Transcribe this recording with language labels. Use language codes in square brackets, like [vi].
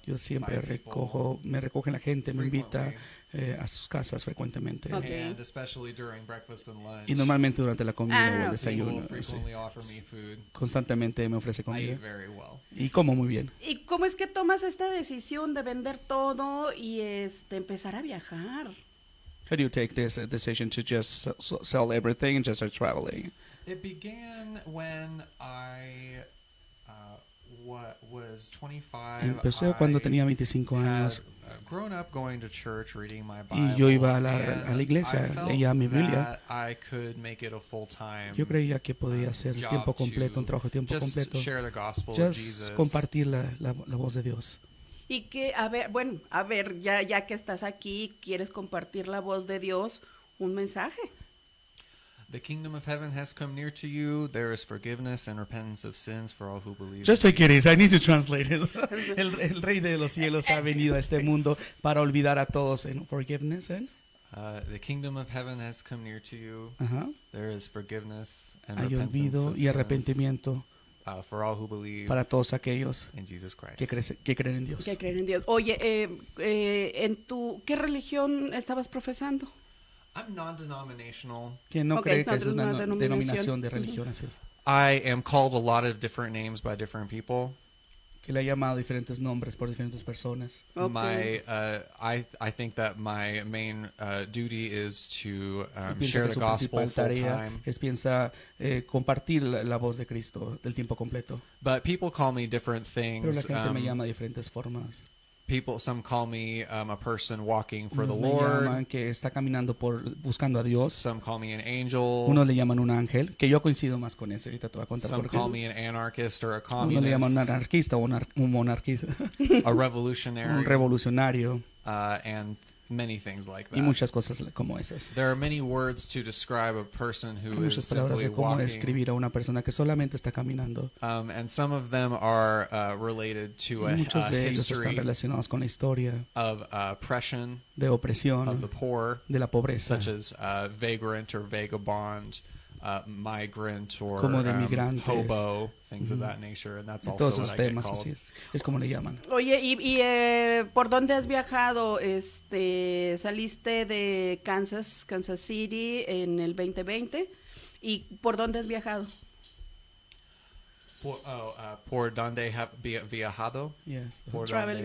[es] Yo siempre me recogen la gente, me invita a sus casas frecuentemente. [en] Okay. And especially during breakfast and lunch. [es] Y normalmente durante la comida o el desayuno. [en] Frequently offer me food. [es] Constantemente me ofrece comida. [en] I eat very well. [es] Y como muy bien. ¿Y cómo es que tomas esta decisión de vender todo y empezar a viajar? [en] How do you take this decision to just sell everything and just start traveling? It began when I was 25. [es] Empecé cuando tenía 25 años. [en] Grown up going to church, reading my Bible. [es] Y yo iba a la iglesia, leía mi Biblia. [en] I could make it a full-time. [es] Yo creía que podía hacer tiempo completo, un trabajo de tiempo [en] just [es] completo. [en] Just share the gospel just of Jesus. [es] Compartir la voz de Dios. Y que, a ver, ya que estás aquí, quieres compartir la voz de Dios, un mensaje. [en] The kingdom of heaven has come near to you. There is forgiveness and repentance of sins for all who believe. Just take it easy. I need to translate it. [es] El rey de los cielos ha venido a este mundo para olvidar a todos en [en] forgiveness and. The kingdom of heaven has come near to you. There is forgiveness and repentance. [es] Hay olvido y arrepentimiento. [en] For all who believe [es] para todos aquellos [en] in Jesus Christ. [es] Que creen en Dios. Que creen en Dios. Oye, ¿qué religión estabas profesando? [en] I'm non-denominational. [es] ¿Quién no cree que es una denominación de religión? Así es. [en] I am called a lot of different names by different people. [es] Que le ha llamado diferentes nombres por diferentes personas. [en] Okay. I think that my main duty is to share the gospel full time. [es] Es piensa compartir la voz de Cristo del tiempo completo. [en] But people call me different things. [es] Pero la gente me llama diferentes formas. [en] Some call me a person walking for the Lord. [es] Unos me llaman que está caminando por buscando a Dios. [en] Some call me an angel. [es] Unos le llaman un ángel, que yo coincido más con eso. Ahorita te voy a contar por qué. [en] Some call me an anarchist or a communist. [es] Unos le llaman un anarquista o un monarquista. [en] A revolutionary. [es] Un revolucionario. [en] And many things like that. [es] Y muchas cosas como esas. [en] There are many words to describe a person who is simply walking. [es] Hay muchas palabras de cómo describir a una persona que solamente está caminando. [en] And some of them are related to a history. [es] Muchos de ellos están relacionados con la historia. [en] Of oppression. [es] De opresión. [en] Of the poor. [es] De la pobreza. [en] Such as vagrant or vagabond, migrant or [es] como de migrantes, [en] hobo, things of that nature, and that's also [es] todos esos temas, [en] what I get called. [es] Así es como le llaman. Oye, y ¿por dónde has viajado? Saliste de Kansas City en el 2020, ¿y por dónde has viajado? ¿Por dónde has viajado? [en] Yes. [es] Por traveling.